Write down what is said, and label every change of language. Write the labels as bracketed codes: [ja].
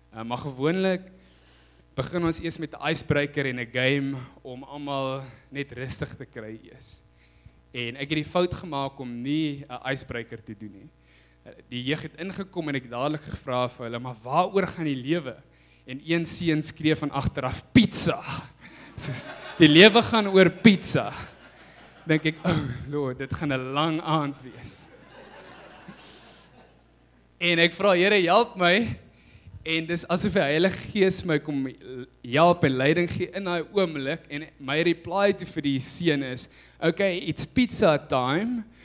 [af] Maar gewoonlik begin ons eers met 'n icebreaker en 'n game om almal net rustig te kry eers. En ek het die fout gemaak om nie 'n icebreaker te doen nie. Die jeug het ingekom en ek dadelik gevra vir hulle, maar waaroor gaan die lewe? En een seun skree van agteraf pizza. Soos, die lewe gaan oor pizza. Dink ek, o, Lord, dit gaan 'n lang aand wees. En ek vra Here, help my. En dis asof die Heilige Gees my kom help en leiding gee in daai oomblik en my reply toe vir die seun is, [en] okay, it's pizza time.